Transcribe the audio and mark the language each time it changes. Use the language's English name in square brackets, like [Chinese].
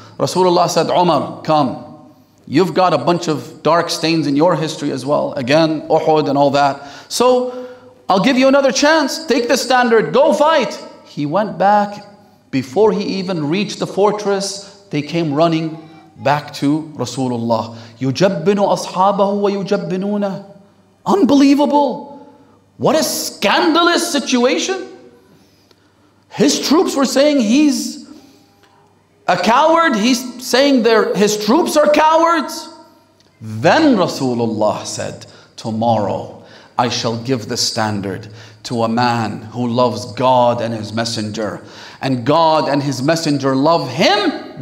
[English] Rasulullah said, Umar, come. You've got a bunch of dark stains in your history as well. Again, Uhud and all that. So I'll give you another chance. Take the standard. Go fight. He went back. Before he even reached the fortress, they came running back to Rasulullah. [Arabic] يُجَبِّنُ أَصْحَابَهُ وَيُجَبِّنُونَ [English] Unbelievable. What a scandalous situation. His troops were saying he's a coward. He's saying his troops are cowards. Then Rasulullah said, tomorrow I shall give the standard to a man who loves God and his messenger, and God and his messenger love him.